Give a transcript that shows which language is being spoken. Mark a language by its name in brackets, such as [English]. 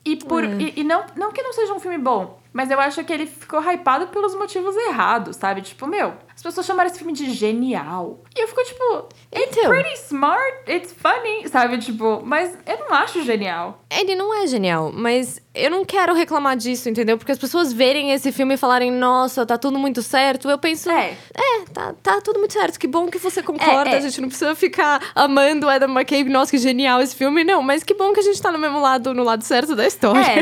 [Portuguese] E não que não seja um filme bom, mas eu acho que ele ficou hypado pelos motivos errados, sabe? Tipo, meu, as pessoas chamaram esse filme de genial. E eu fico, tipo, [English] it's pretty smart, it's funny, [Portuguese] sabe? Tipo, mas eu não acho genial. Ele não é genial, mas eu não quero reclamar disso, entendeu? Porque as pessoas verem esse filme e falarem, nossa, tá tudo muito certo, eu penso... Tá tudo muito certo, que bom que você concorda, a gente não precisa ficar amando Adam McKay, nossa, que genial esse filme, não, mas que bom que a gente tá no mesmo lado, no lado certo da história.